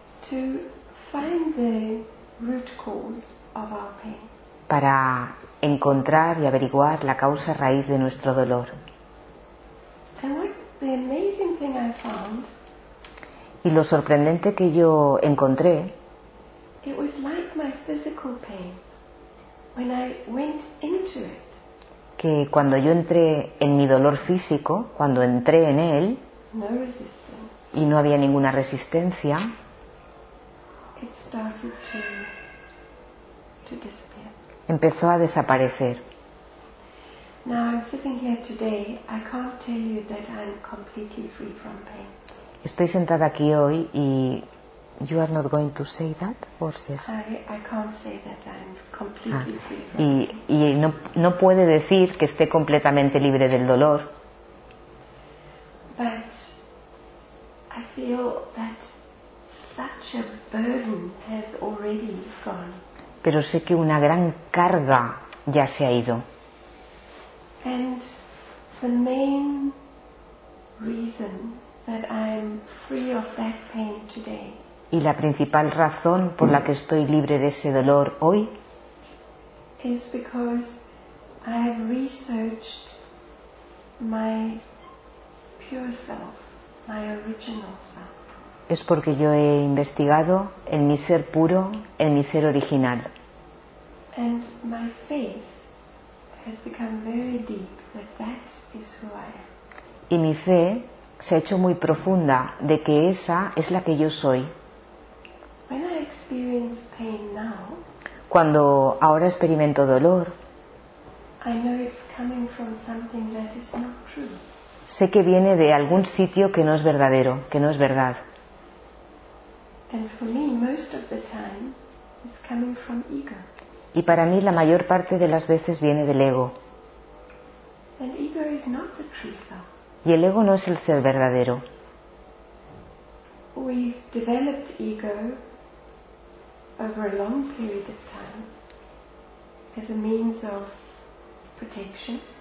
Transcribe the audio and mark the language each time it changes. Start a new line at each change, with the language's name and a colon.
English: To find the root cause of our pain.
Spanish: Para encontrar y averiguar la causa raíz de nuestro dolor.
English: And what the amazing thing I found,
Spanish: y lo sorprendente que yo encontré,
English: it was like my physical pain when I went into it.
Spanish: Que cuando yo entré en mi dolor físico, cuando entré en él,
English: no resistance,
Spanish: y no había ninguna resistencia,
English: it started to disappear.
Spanish: Empezó a desaparecer.
English: Now I'm sitting here today. I can't tell you that I'm completely free from pain.
Spanish: Estoy sentada aquí hoy y
English: you are not going to say that, or yes? I can't say that I'm completely free from pain.
Spanish: Y no puede decir que esté completamente libre del dolor.
English: But I feel that such a burden has already gone.
Spanish: Pero sé que una gran carga ya se ha ido.
English: And the main reason that I'm free of that pain today.
Spanish: Y la principal razón por la que estoy libre de ese dolor hoy
English: is because I have researched my pure self, my original self.
Spanish: Es porque yo he investigado en mi ser puro, en mi ser original.
English: And my faith has become very deep that is who I am.
Spanish: Y mi fe se ha hecho muy profunda de que esa es la que yo soy.
English: When I experience pain now,
Spanish: cuando ahora experimento dolor,
English: I know it's coming from something that is not true.
Spanish: Sé que viene de algún sitio que no es verdadero, que no es verdad.
English: And for me, most of the time, it's coming from ego.
Spanish: Y para mí la mayor parte de las veces viene del ego.
English: And ego is not the true self.
Spanish: Y el ego no es el ser verdadero.
English: We've developed ego over a long period of time as a means of protection.